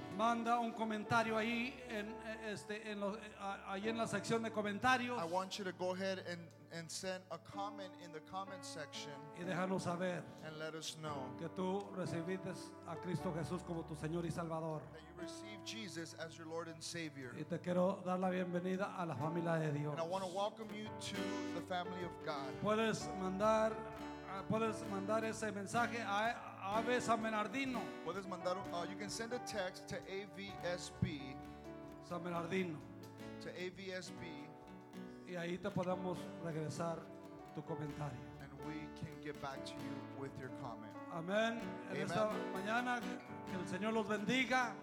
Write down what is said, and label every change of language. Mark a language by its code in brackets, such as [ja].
[es] manda un comentario ahí en la sección de comentarios. [en] I want you to go ahead and send a comment in the comment section. [es] Y déjanos saber. [en] And let us know [es] que tú recibiste a Cristo Jesús como tu Señor y Salvador. [en] That you received Jesus as your Lord and Savior. [es] Y te quiero dar la bienvenida a la familia de Dios. [en] And I want to welcome you to the family of God. [es] Puedes mandar ese mensaje a AV San Bernardino. Puedes mandar, [en] you can send a text to AVSB [es] San Bernardino. [en] To AVSB. [es] Y ahí te podemos regresar tu comentario. [en] And we can get back to you with your comment. [es] Amén. En esta mañana, que el Señor los bendiga.